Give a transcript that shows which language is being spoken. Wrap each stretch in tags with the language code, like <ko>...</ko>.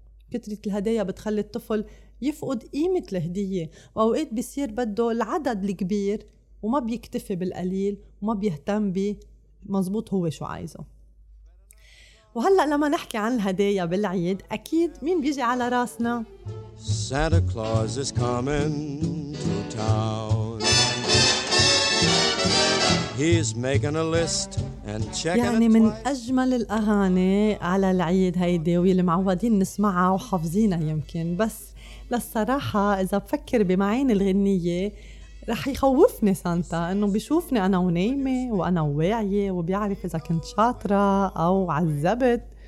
<ar>كترة الهدايا بتخلي الطفل يفقد قيمة الهدية وأوقات بيصير بده العدد الكبير وما بيكتفي بالقليل وما بيهتم بي مزبوط هو شو عايزه. وهلأ لما نحكي عن الهدايا بالعيد أكيد مين بيجي على راسنا؟</ar> <en>Santa Claus is coming to town. He's making a list and checking.</en> <ar>يعني من أجمل الأغاني على العيد هيدي واللي معودين نسمعها وحافظينها يمكن، بس للصراحة إذا بفكر بمعاني الغنية رح يخوفني سانتا انه بيشوفني انا ونايمة وانا واعية وبيعرف اذا كنت شاطرة او عذبت.</ar>